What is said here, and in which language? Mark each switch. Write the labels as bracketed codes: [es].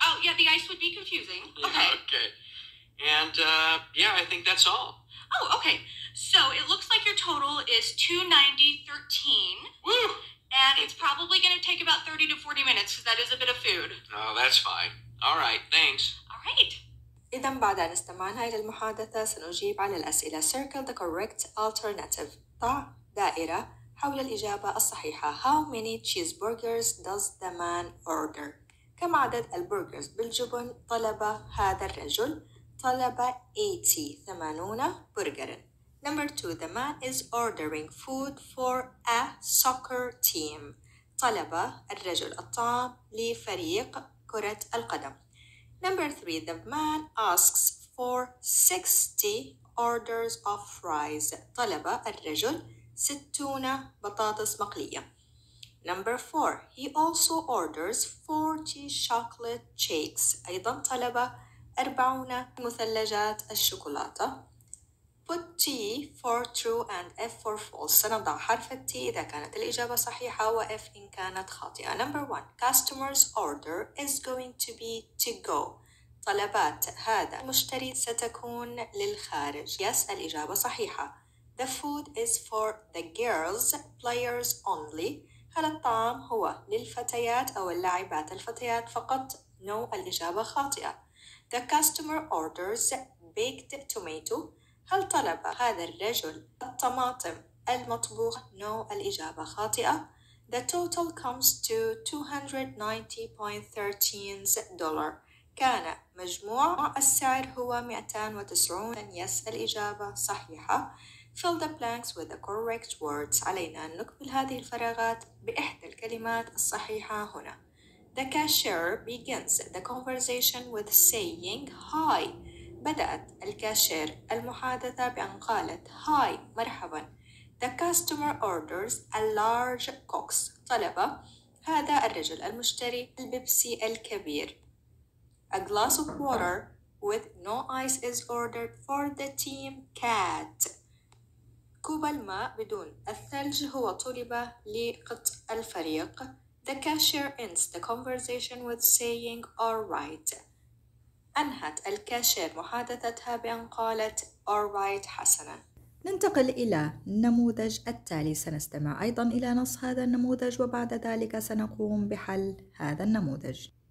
[en] Oh, yeah, the ice would be confusing. Okay. Yeah, okay. And yeah, I think that's all. Oh, okay. So it looks like your total is 290.13. Woo! And it's probably going to take about 30 to 40 minutes because that is a bit of food. Oh, that's fine. All right, thanks. All right. [ar] إذا بعد أن استمعنا إلى المحادثة سنجيب على الأسئلة. [en] Circle the correct alternative. [ar] ضع دائرة حول الإجابة الصحيحة. [en] How many cheeseburgers does the man order? [ar] كم عدد البرجرز بالجبن طلب هذا الرجل؟ طلب 80 برجرا. [en] Number 2. The man is ordering food for a soccer team. [ar] طلب الرجل الطعام لفريق كرة القدم. [en] Number 3. The man asks for 60 orders of fries. [ar] طلب الرجل 60 بطاطس مقلية. [en] Number 4. He also orders 40 chocolate shakes. [ar] أيضا طلب 40 مثلجات الشوكولاتة. [en] Put T for true and F for false. [ar] سنضع حرف T إذا كانت الإجابة صحيحة و F إن كانت خاطئة. [en] Number 1. Customer's order is going to be to go. [ar] طلبات هذا المشتري ستكون للخارج. Yes, الإجابة صحيحة. [en] The food is for the girls, players only. [ar] هل الطعام هو للفتيات أو اللاعبات الفتيات فقط؟ No, الإجابة خاطئة. [en] The customer orders baked tomato. [ar] هل طلب هذا الرجل الطماطم المطبوخة؟ No, الإجابة خاطئة. [en] The total comes to $290.13. [ar] كان مجموع السعر هو 290. [en] Yes, [ar] الإجابة صحيحة. [en] Fill the blanks with the correct words. [ar] علينا أن نكمل هذه الفراغات بإحدى الكلمات الصحيحة هنا. [en] The cashier begins the conversation with saying hi. [ar] بدأت الكاشير المحادثة بأن قالت hi, مرحبا. [en] The customer orders a large Coke. [ar] طلب هذا الرجل المشتري البيبسي الكبير. [en] A glass of water with no ice is ordered for the team cat. [ar] كوب الماء بدون الثلج هو طلب لقط الفريق. [en] The cashier ends the conversation with saying alright. [ar] أنهت الكاشير محادثتها بأن قالت alright حسنا. ننتقل إلى النموذج التالي. سنستمع أيضا إلى نص هذا النموذج وبعد ذلك سنقوم بحل هذا النموذج.